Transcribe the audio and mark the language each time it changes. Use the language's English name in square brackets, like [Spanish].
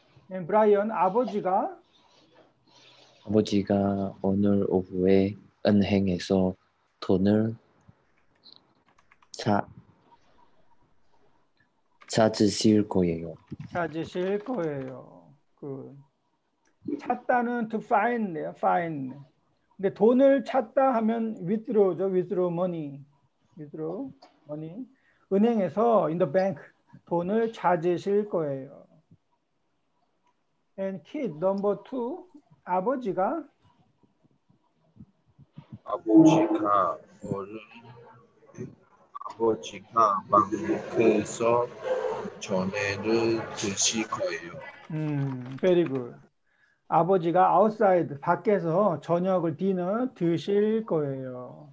[English] And Brian [Korean] 아버지가 아버지가 오늘 오후에 은행에서 돈을 찾으실 거예요. 찾으실 거예요. 그 찾다는 [English] to find, find. [Korean] 근데 돈을 찾다 하면 withdraw죠. [English] withdraw money. withdraw money. [Korean] 은행에서 [English] in the bank [Korean] 돈을 찾으실 거예요. [English] And kid number 2 [Korean] 아버지가 아버지가 오늘 아버지가 방에서 전해를 드실 거예요. [English] Very good. [Korean] 아버지가 outside 밖에서 저녁을 dinner 드실 거예요.